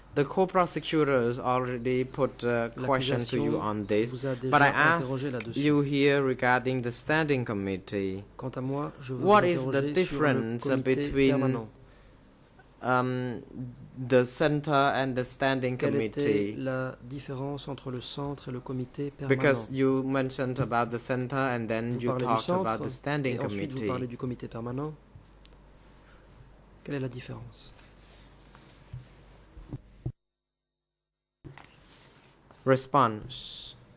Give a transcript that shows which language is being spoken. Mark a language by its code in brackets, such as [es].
[en] The co-prosecutors already put a question to you on this, but I asked you here regarding the standing committee. [fr] Quant à moi, je veux [en] what is the difference between the center and the standing committee? [fr] La différence entre le centre et le comité permanent? [en] Because you mentioned about the center and then [fr] vous [en] you talked about the standing committee. [fr] Vous parlez du comité permanent. Quelle est la différence? [en] Response.